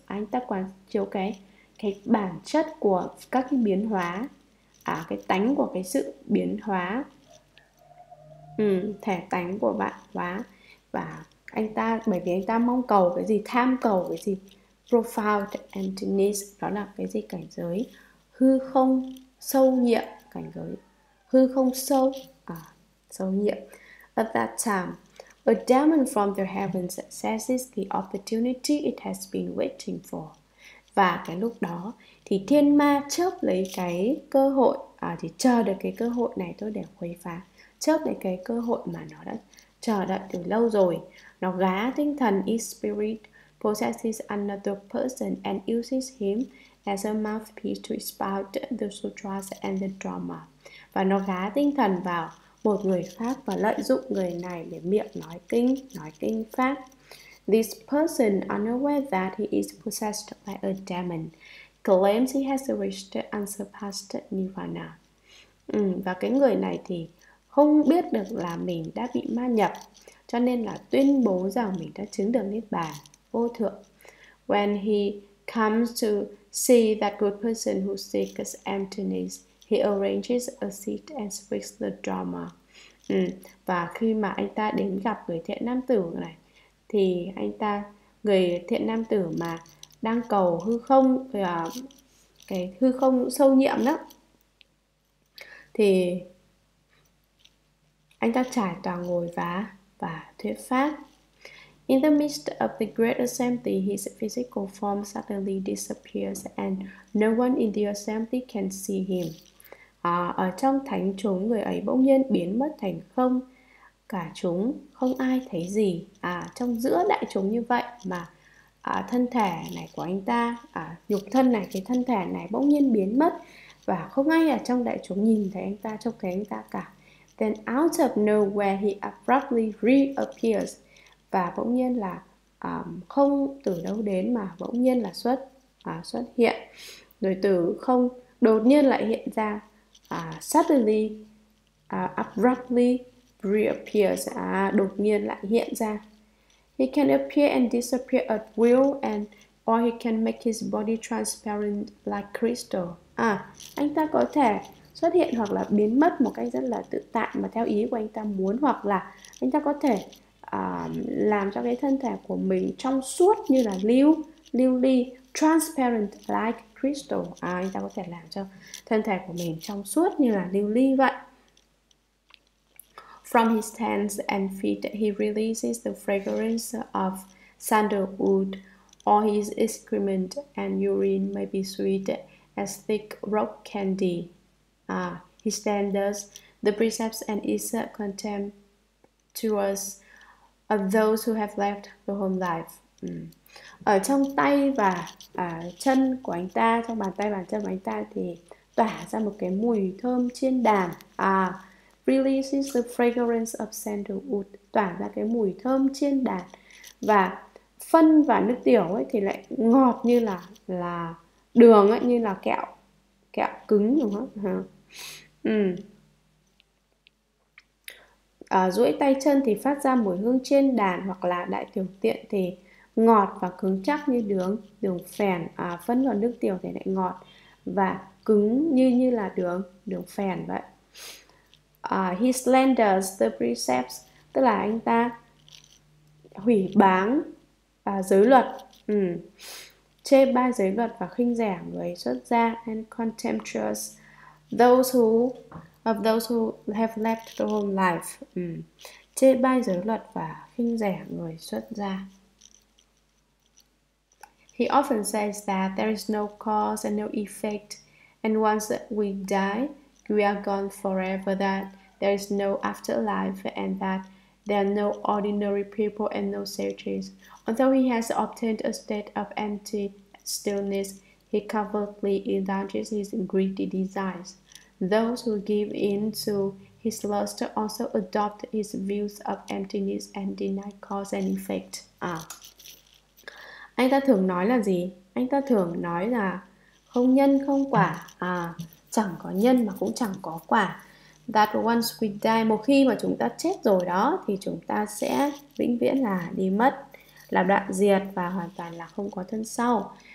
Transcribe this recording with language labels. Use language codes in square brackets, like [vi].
[vi] Anh ta quán chiếu cái bản chất của các cái biến hóa, cái tánh của cái sự biến hóa, thể tánh của bạn hóa. Và anh ta, bởi vì anh ta mong cầu cái gì, tham cầu cái gì, [en] profound emptiness, [vi] đó là cái gì, cảnh giới hư không sâu nhiệm, cảnh giới hư không sâu, sâu nhiệm. [en] At that time, a demon from the heavens seizes the opportunity it has been waiting for. [vi] Và cái lúc đó thì thiên ma chớp lấy cái cơ hội, thì chờ được cái cơ hội này thôi để khuấy phá, chớp lấy cái cơ hội mà nó đã chờ đợi từ lâu rồi. Nó gá tinh thần [en] is spirit, possesses another person and uses him as a mouthpiece to spout the sutras and the drama. [vi] Và nó gá tinh thần vào một người khác và lợi dụng người này để miệng nói kinh pháp. [en] This person, unaware that he is possessed by a demon, claims he has reached unsurpassed nirvana. [vi] Và cái người này thì không biết được là mình đã bị ma nhập, cho nên là tuyên bố rằng mình đã chứng được niết bàn vô thượng. [en] When he comes to see that good person who seeks emptiness, he arranges a seat and speaks the Dharma. [vi] Và khi mà anh ta đến gặp người thiện nam tử này, thì anh ta, người thiện nam tử mà đang cầu hư không, cái hư không sâu nhiệm đó, thì anh ta trải toàn ngồi và thuyết pháp. [en] In the midst of the great assembly, his physical form suddenly disappears and no one in the assembly can see him. [vi] Ở trong thánh chúng, người ấy bỗng nhiên biến mất thành không, cả chúng không ai thấy gì. Trong giữa đại chúng như vậy mà thân thể này của anh ta, nhục thân này, cái thân thể này bỗng nhiên biến mất và không ai ở trong đại chúng nhìn thấy anh ta, trông thấy anh ta cả. [en] Then out of nowhere he abruptly reappears. [vi] Và bỗng nhiên là không từ đâu đến mà bỗng nhiên là xuất hiện. Rồi từ không đột nhiên lại hiện ra, [en] suddenly, abruptly reappears, [vi] đột nhiên lại hiện ra. [en] He can appear and disappear at will, and or he can make his body transparent like crystal. [vi] Anh ta có thể xuất hiện hoặc là biến mất một cách rất là tự tại mà theo ý của anh ta muốn, hoặc là anh ta có thể làm cho cái thân thể của mình trong suốt như là lưu ly, [en] transparent like crystal. [vi] Anh ta có thể làm cho thân thể của mình trong suốt như là lưu ly vậy. [en] From his hands and feet, he releases the fragrance of sandalwood, or his excrement and urine may be sweet as thick rock candy. He stands, the precepts and is contemptuous of those who have left the home life. [vi] Ở trong tay và chân của anh ta, trong bàn tay và chân của anh ta thì tỏa ra một cái mùi thơm chiên đàn. [en] Releases the fragrance of sandalwood, [vi] tỏa ra cái mùi thơm chiên đàn. Và phân và nước tiểu ấy thì lại ngọt như là đường ấy, như là kẹo kẹo cứng đúng không? Duỗi tay chân thì phát ra mùi hương trên đàn, hoặc là đại tiểu tiện thì ngọt và cứng chắc như đường đường phèn. Phân và nước tiểu thì lại ngọt và cứng như như là đường đường phèn vậy. [en] He slanders the precepts, [vi] tức là anh ta hủy báng giới luật, chê bai giới luật và khinh rẻ người xuất gia. [en] And contemptuous those who have left the home life, [vi] chê bai giới luật và khinh rẻ người xuất gia. [en] He often says that there is no cause and no effect, and once we die, we are gone forever, that there is no afterlife, and that there are no ordinary people and no sages. Although he has obtained a state of empty stillness, he covertly indulges his greedy desires. Those who give in to his lust also adopt his views of emptiness and deny cause and effect. [vi] Anh ta thường nói là gì? Anh ta thường nói là không nhân không quả, chẳng có nhân mà cũng chẳng có quả. [en] That once we die, [vi] một khi mà chúng ta chết rồi đó thì chúng ta sẽ vĩnh viễn là đi mất, là đoạn diệt và hoàn toàn là không có thân sau.